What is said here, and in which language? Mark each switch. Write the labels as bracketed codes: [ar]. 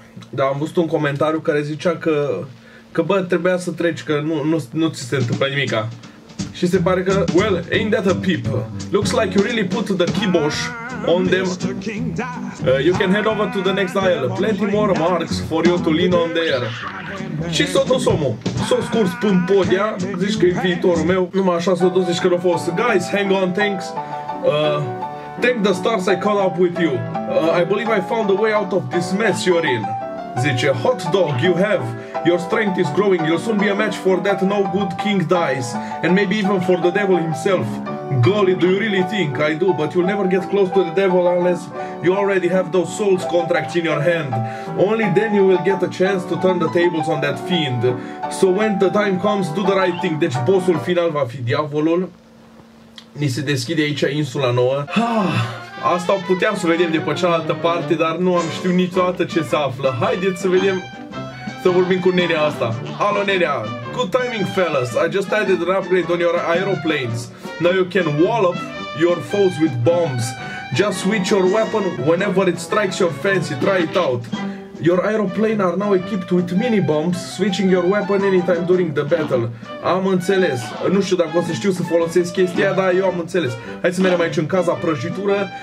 [ro] Dar am văzut un comentariu care zicea că bă, trebuia să treci, că nu ți se întâmplă nimica. Și se pare că, [en] well, ain't that a peep? Looks like you really put the kibosh on them. You can head over to the next aisle. Plenty more marks for you to lean on there. [ro] Și s-o dus omul. S-o scurs până podia, zici că e viitorul meu. Numai așa s-o dus, zici că l-a fost. [en] Guys, hang on, thanks. Thank the stars I caught up with you. I believe I found a way out of this mess you're in. [ro] Zice, [en] hot dog, you have. Your strength is growing, you'll soon be a match for that no good king dies. And maybe even for the devil himself. Golly, do you really think? I do, but you'll never get close to the devil unless you already have those souls contracts in your hand. Only then you will get a chance to turn the tables on that fiend. So when the time comes, do the right thing. [ro] Deci bossul final va fi diavolul. Ni se deschide aici insula nouă. Asta puteam să vedem de pe cealaltă parte, dar nu am știut niciodată ce se află. Haideți să vedem. Să vorbim cu nenea asta. Alo, nenea! [en] Good timing, fellas! I just added an upgrade on your aeroplanes. Now you can wallop your foes with bombs. Just switch your weapon whenever it strikes your fancy. Try it out. Your aeroplane are now equipped with mini bombs, switching your weapon anytime during the battle. [ro] Am înțeles. Nu știu dacă o să știu să folosesc chestia, dar eu am înțeles. Hai să mergem aici în casa prăjitură.